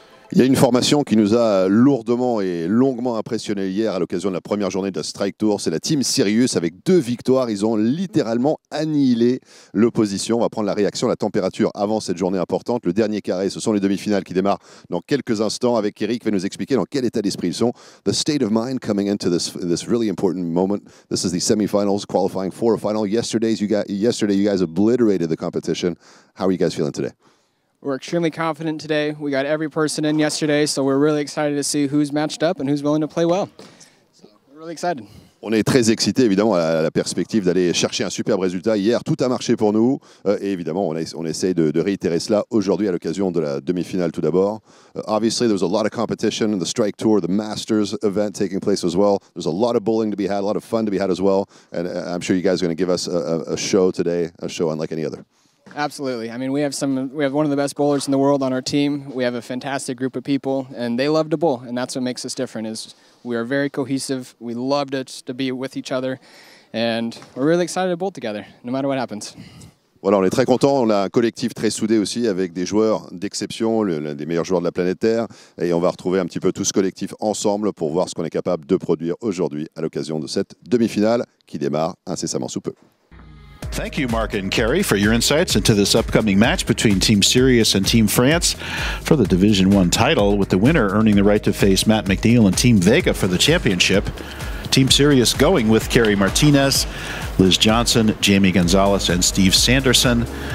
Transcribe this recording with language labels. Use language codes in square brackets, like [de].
[fr] Il y a une formation qui nous a lourdement et longuement impressionné hier à l'occasion de la première journée de la Strike Tour. C'est la team Sirius avec 2 victoires. Ils ont littéralement annihilé l'opposition. On va prendre la réaction, la température avant cette journée importante. Le dernier carré, ce sont les demi-finales qui démarrent dans quelques instants avec Eric qui va nous expliquer dans quel état d'esprit ils sont. [en] The state of mind coming into this really important moment. This is the semifinals qualifying for a final. Yesterday you guys obliterated the competition. How are you guys feeling today? We're extremely confident today. We got every person in yesterday, so we're really excited to see who's matched up and who's willing to play well. So we're really excited. [fr] On est très excités, évidemment, à la perspective d'aller chercher un superbe résultat. Hier, tout a marché pour nous. Et évidemment, on essaie de réitérer cela aujourd'hui à l'occasion de la demi-finale tout d'abord. [en] Obviously, there was a lot of competition in the Strike Tour, the Masters event taking place as well. There's a lot of bowling to be had, a lot of fun to be had as well. And I'm sure you guys are going to give us a show today, a show unlike any other. Absolutely. I mean, we have one of the best bowlers in the world on our team. We have a fantastic group of people, and they love to bowl, and that's what makes us different. Is we are very cohesive. We love to be with each other, and we're really excited to bowl together, no matter what happens. [fr] Voilà, on est très content. On a un collectif très soudé aussi, avec des joueurs d'exception, l'un des meilleurs joueurs de la planète Terre, et on va retrouver un petit peu tout ce collectif ensemble pour voir ce qu'on est capable de produire aujourd'hui à l'occasion de cette demi-finale qui démarre incessamment sous peu. [en] Thank you, Marc and Kerry, for your insights into this upcoming match between Team Sirius and Team France for the Division 1 title, with the winner earning the right to face Matt McNeil and Team Vega for the championship. Team Sirius going with Kerry Martinez, Liz Johnson, Jamie Gonzalez, and Steve Sanderson.